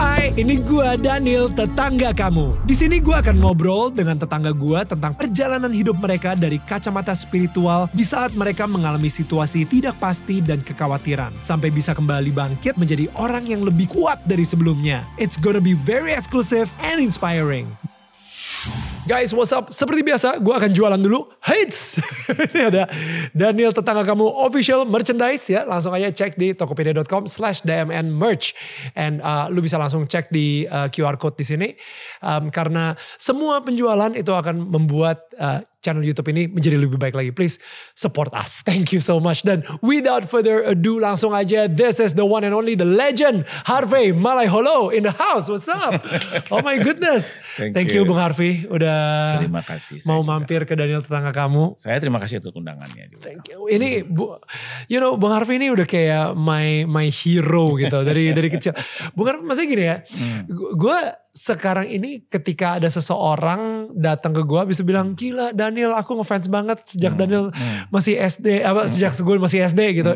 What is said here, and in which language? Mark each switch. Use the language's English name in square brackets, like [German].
[Indonesian] Ini gue Daniel, tetangga kamu. Di sini gue akan ngobrol dengan tetangga gue tentang perjalanan hidup mereka dari kacamata spiritual di saat mereka mengalami situasi tidak pasti dan kekhawatiran. Sampai bisa kembali bangkit menjadi orang yang lebih kuat dari sebelumnya. [English] It's gonna be very exclusive and inspiring. Guys, what's up? [Indonesian] Seperti biasa, gue akan jualan dulu. Hits! Ini ada Daniel Tetangga Kamu official merchandise ya. Langsung aja cek di tokopedia.com/dmnmerch. And lu bisa langsung cek di QR code di sini. Karena semua penjualan itu akan membuat channel YouTube ini menjadi lebih baik lagi. [English] Please support us. Thank you so much. [Indonesian] Dan [English] without further ado, [Indonesian] langsung aja. [English] This is the one and only, the legend, Harvey Malaiholo in the house. What's up? Oh my goodness. Thank you, Bung Harvey. [Indonesian] Udah terima kasih, mau mampir ke Daniel Tetangga Kamu. Saya terima kasih untuk undangannya juga. [English] Thank you. [Indonesian] Ini, [English] you know, [Indonesian] Bung Harvey ini udah kayak [English] my hero [Indonesian] gitu. dari kecil. Bung Harvey, maksudnya gini ya. Gue sekarang ini ketika ada seseorang datang ke gue bisa bilang, gila Daniel, aku ngefans banget sejak Daniel masih SD, sejak gue masih SD gitu.